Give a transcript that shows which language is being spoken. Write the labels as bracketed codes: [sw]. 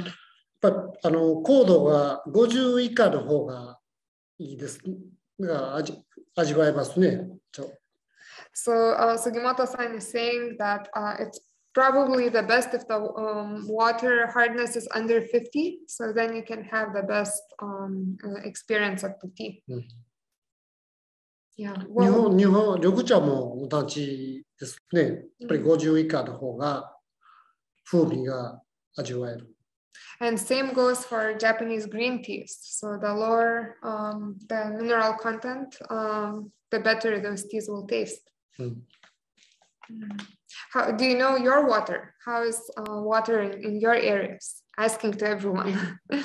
[ja] やっぱ高度が50以下の方がいいです。が味わえますね。 [en] So Sugimoto-san is saying that it's probably the best if the water hardness is under 50, so then you can have the best experience of the tea. Yeah, [ja] well, 日本緑茶も同じですね。やっぱり50以下の方が風味が味わえる。 [en] And same goes for Japanese green teas. So the lower the mineral content, the better those teas will taste.、How, do you know your water? How is water in your areas? Asking to everyone.